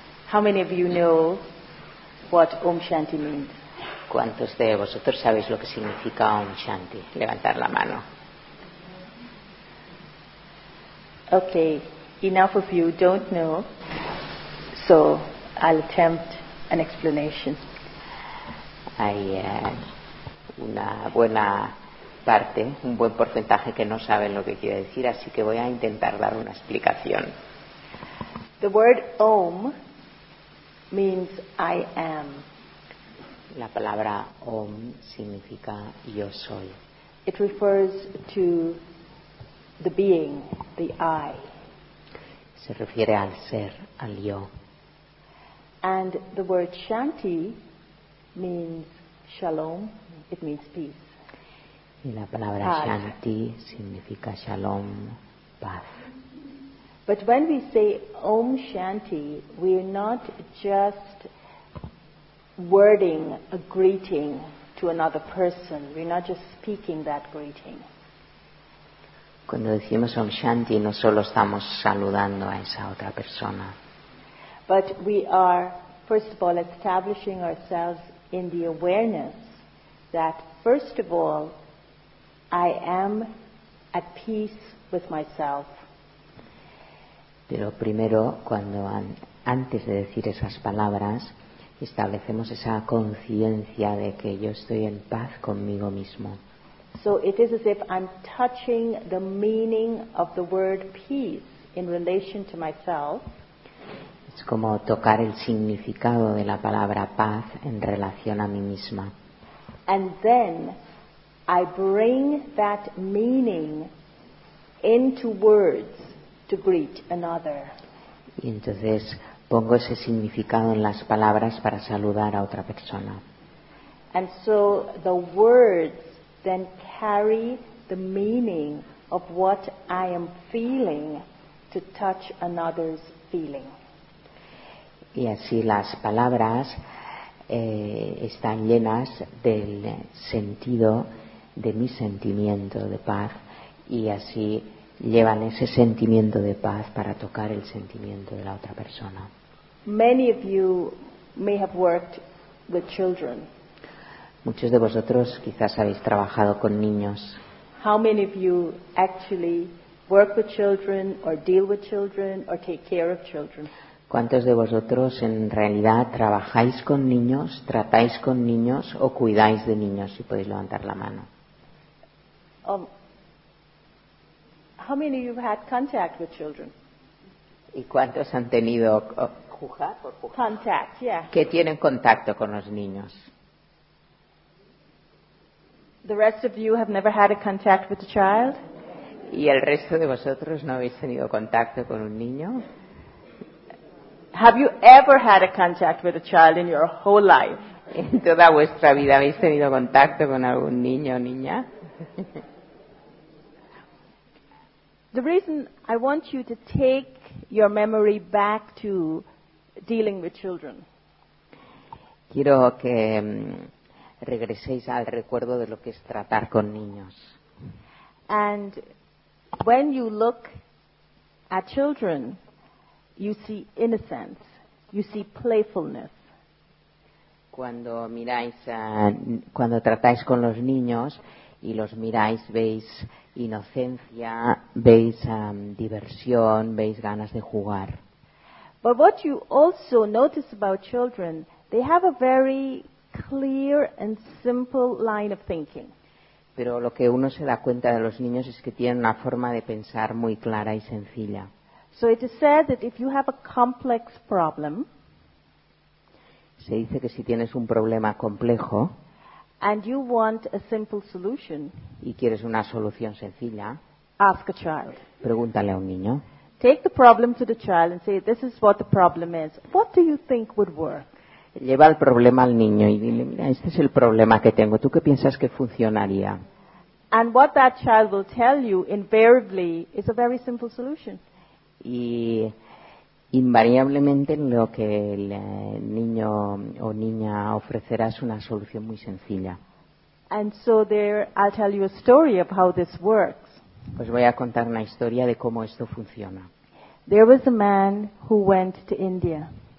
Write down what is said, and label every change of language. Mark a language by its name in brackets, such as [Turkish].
[English] How many of you know what Om Shanti means? [Spanish] ¿Cuántos de vosotros sabéis lo que significa Om Shanti? Levantar la mano. [English] Okay, enough of you don't know, so I'll attempt an explanation. [Spanish] Hay una buena parte, un buen porcentaje que no saben lo que quiere decir, así que voy a intentar dar una explicación. [English] The word Om means I am. [Spanish] La palabra Om significa yo soy. [English] It refers to the being, the I. [Spanish] Se refiere al ser, al yo. [English] And the word Shanti means shalom, it means peace. [Spanish] Y la palabra paz. Shanti significa shalom, paz. [English] But when we say Om Shanti, we are not just wording a greeting to another person. We're not just speaking that greeting. [Spanish] Cuando decimos Om Shanti, no solo estamos saludando a esa otra persona. [English] But we are, first of all, establishing ourselves in the awareness that, first of all, I am at peace with myself. [Spanish] Pero primero, cuando antes de decir esas palabras, establecemos esa conciencia de que yo estoy en paz conmigo mismo. [English] So it is as if I'm touching the meaning of the word peace in relation to myself. [Spanish] Es como tocar el significado de la palabra paz en relación a mí misma. [English] And then I bring that meaning into words to greet another. [Spanish] Y entonces pongo ese significado en las palabras para saludar a otra persona. [English] And so the words then carry the meaning of what I am feeling to touch another's feeling. [Spanish] Y así las palabras están llenas del sentido de mi sentimiento de paz, y así llevan ese sentimiento de paz para tocar el sentimiento de la otra persona. [English] Many of you may have worked with children. [Spanish] Muchos de vosotros quizás habéis trabajado con niños. [English] How many of you actually work with children or deal with children or take care of children? [Spanish] ¿Cuántos de vosotros en realidad trabajáis con niños, tratáis con niños o cuidáis de niños? Si podéis levantar la mano. [English] How many of you have had contact with children? [Spanish] ¿Y cuántos han tenido [English] contact, yeah. [Spanish] Que tienen contacto con los niños? [English] The rest of you have never had a contact with a child? [Spanish] ¿Y el resto de vosotros no habéis tenido contacto con un niño? [English] Have you ever had a contact with a child in your whole life? [Spanish] ¿En toda vuestra vida habéis tenido contacto con algún niño o niña? [English] The reason I want you to take your memory back to dealing with children. [Spanish] Quiero que regreséis al recuerdo de lo que es tratar con niños. [English] And when you look at children, you see innocence, you see playfulness. [Spanish] Cuando miráis cuando tratáis con los niños y los miráis, veis inocencia, veis diversión, veis ganas de jugar. [English] But what you also notice about children, they have a very clear and simple line of thinking. [Spanish] Pero lo que uno se da cuenta de los niños es que tienen una forma de pensar muy clara y sencilla. [English] So it is said that if you have a complex problem, [Spanish] se dice que si tienes un problema complejo, [English] and you want a simple solution, [Spanish] y quieres una solución sencilla, [English] ask a child. [Spanish] Pregúntale a un niño. [English] Take the problem to the child and say, this is what the problem is. What do you think would work? [Spanish] Lleva el problema al niño y dile, mira, este es el problema que tengo. ¿Tú qué piensas que funcionaría? [English] And what that child will tell you invariably is a very simple solution. [Spanish] Y invariablemente lo que el niño o niña ofrecerá es una solución muy sencilla. [English] And so there, I'll tell you a story of how this works. [Spanish] Pues voy a contar una historia de cómo esto funciona. [English] There was a man who went to India.